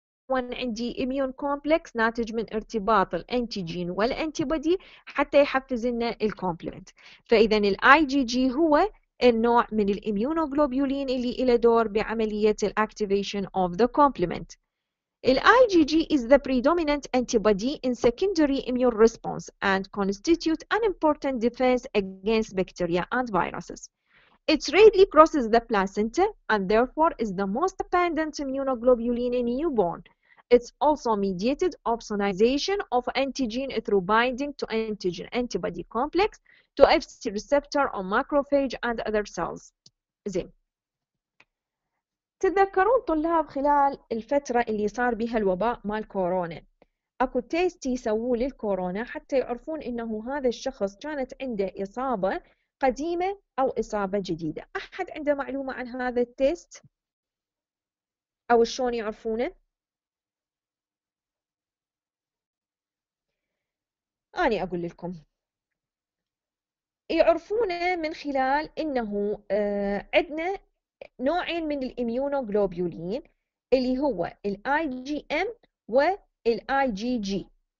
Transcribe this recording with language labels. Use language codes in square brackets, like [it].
[ar] وان عندي اميون كومبلكس ناتج من ارتباط الانتيجين والانتي بودي حتى يحفز لنا الكومبلمنت. فاذا الاي جي جي هو النوع من الاميونوجلوبولين اللي له دور بعمليه الاكتيفيشن اوف ذا كومبلمنت. [en] IgG is the predominant antibody in secondary immune response and constitute an important defense against bacteria and viruses. It rarely crosses the placenta and therefore is the most abundant immunoglobulin in newborn. It's also mediated opsonization of antigen through binding to antigen antibody complex to Fc receptor on macrophage and other cells. [ar] Zim. تذكرون طلاب خلال الفترة اللي صار بها الوباء مال كورونا اكو تيست يسووه للكورونا حتى يعرفون انه هذا الشخص كانت عنده اصابة قديمة او اصابة جديدة. احد عنده معلومة عن هذا التيست او شلون يعرفونه؟ انا اقول لكم يعرفونه من خلال انه عندنا نوعين من الاميونوجلوبولين اللي هو الاي جي ام والاي جي جي.